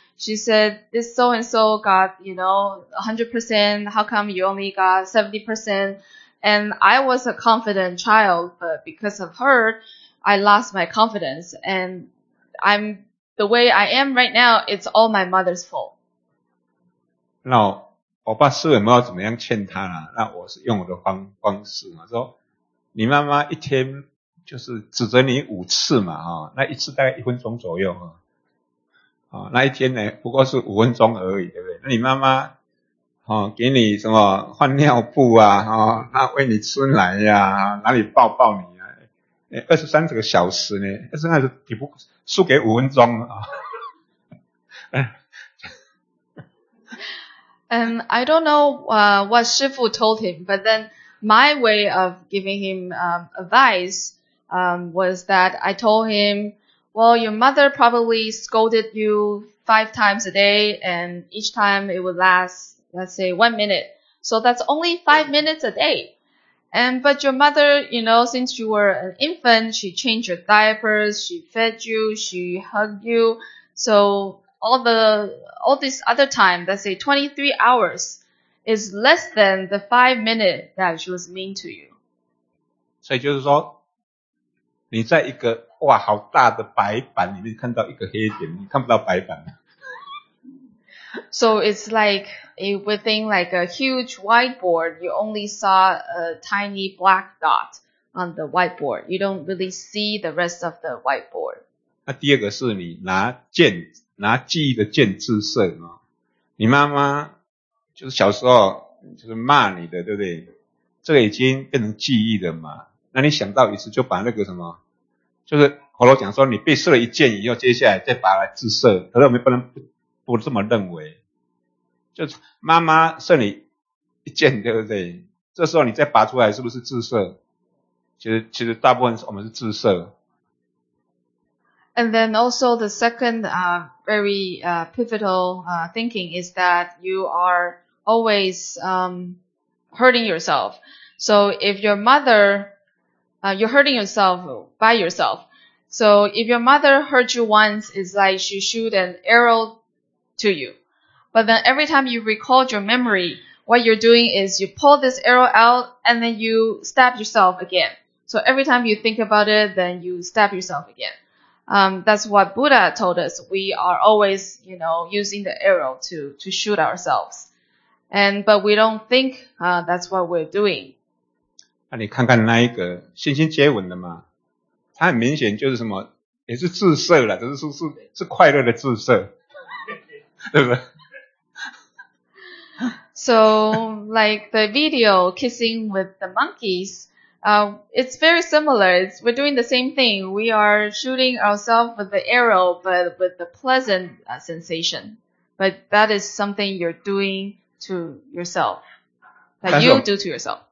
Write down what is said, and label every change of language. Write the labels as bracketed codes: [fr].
[en] She said, this so-and-so got, you know, 100%. How come you only got 70%? And I was a confident child, but because of her, I lost my confidence. And I'm the way I am right now, it's all my mother's fault. [zh] 那 我爸是没有怎么样劝他啦，那我是用我的 方式嘛，说你妈妈一天就是指责你五次嘛，那一次大概一分钟左右。那一天呢不过是五分钟而已，对不对？那你妈妈给你什么换尿布啊，她喂你吃奶啊，哪里抱抱你啊，23个小时呢，23个小时你不输给五分钟啊。 [en] And I don't know, what 师父 told him, but then my way of giving him, advice, was that I told him, well, your mother probably scolded you 5 times a day, and each time it would last, let's say, 1 minute. So that's only 5 minutes a day. But your mother, you know, since you were an infant, she changed your diapers, she fed you, she hugged you. So all this other time, let's say 23 hours, is less than the 5 minutes that she was mean to you. [zh] 所以就是说，你在一个哇好大的白板里面看到一个黑点，你看不到白板。 [en] So it's like within like a huge whiteboard, you only saw a tiny black dot on the whiteboard. You don't really see the rest of the whiteboard. [zh] 那第二个是你拿剑，拿记忆的剑自射啊！你妈妈就是小时候就是骂你的，对不对？这个已经变成记忆了嘛？那你想到一次就把那个什么，就是佛陀讲说，你被射了一箭以后，接下来再把它自射，可是我们不能不这么认为，就是妈妈射你一箭，对不对？这时候你再拔出来，是不是自射？其实大部分我们是自射。 [en] And then also the second very pivotal thinking is that you are always hurting yourself. So if your mother, you're hurting yourself by yourself. So if your mother hurt you once, it's like she shoot an arrow to you. But then every time you recall your memory, what you're doing is you pull this arrow out and then you stab yourself again. So every time you think about it, then you stab yourself again. That's what Buddha told us. We are always, you know, using the arrow to shoot ourselves. But we don't think, that's what we're doing. [zh] 那你看看那一个星星接吻的嘛，他很明显就是什么，也是自射了，只是说 是快乐的自射，对不对？ [en] So, like the video kissing with the monkeys, it's very similar. We're doing the same thing. We are shooting ourselves with the arrow, but with the pleasant sensation. But that is something you're doing to yourself, that you do to yourself.